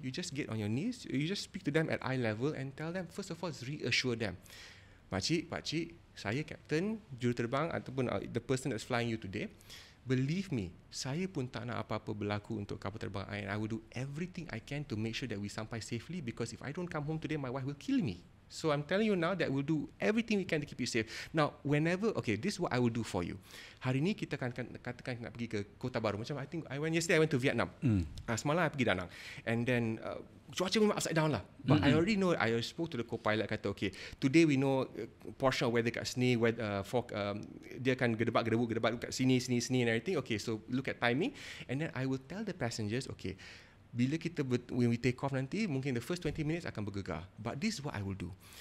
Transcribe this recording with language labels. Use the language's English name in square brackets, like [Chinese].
[English] You just get on your knees, you just speak to them at eye level and tell them, first of all, reassure them, [Malay] makcik-makcik, saya captain, juruterbang ataupun [English] the person that's flying you today. Believe me, [Malay] saya pun tak nak apa-apa berlaku untuk kapal terbang. [English] And I will do everything I can to make sure that we sampai safely, because if I don't come home today, my wife will kill me. So I'm telling you now that we'll do everything we can to keep you safe. Now, whenever, okay, this is what I will do for you. [Malay] Hari ni kita akan katakan nak pergi ke Kota Baru. Macam [English] I think, yesterday I went to Vietnam. [Malay] Semalam I pergi Danang. [English] And then, [Malay] cuaca memang [English] upside down lah. But I already know, I spoke to the co-pilot, [Malay] kata, [English] okay, today we know portion of weather [Malay] kat sini, dia akan gedebak-gedebuk kat sini [English] and everything. Okay, so look at timing. And then I will tell the passengers, okay, [Malay] bila kita, [English] when we take off [Malay] nanti, mungkin [English] the first 20 minutes [Malay] akan bergegar. [English] But this is what I will do.